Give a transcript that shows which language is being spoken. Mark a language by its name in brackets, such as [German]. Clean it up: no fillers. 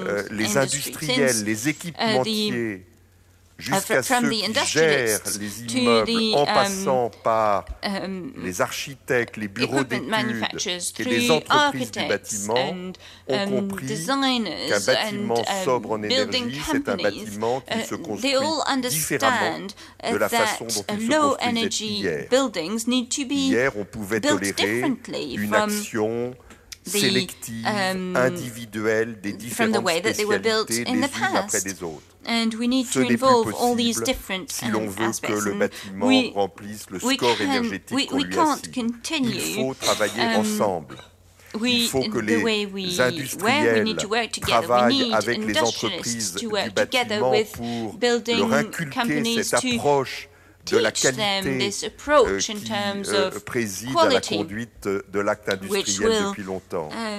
[French] les industriels, les équipementiers, jusqu'à ceux qui gèrent les immeubles en passant par les architectes, les bureaux d'études et les entreprises du bâtiment, ont compris qu'un bâtiment sobre en énergie, c'est un bâtiment qui se construit différemment de la façon dont il se construisait hier. Hier, on pouvait tolérer une action sélective, individuelle des différentes spécialités les unes après les autres. [English] And we need to involve all these different aspects. [French] Si l'on veut que le bâtiment remplisse le score énergétique qu'on lui assigne, [English] we can't continue. [French] Il faut travailler ensemble. Il faut que les industriels travaillent avec les entreprises du bâtiment pour leur inculquer cette approche de la qualité qui préside à la conduite de l'acte industriel depuis longtemps.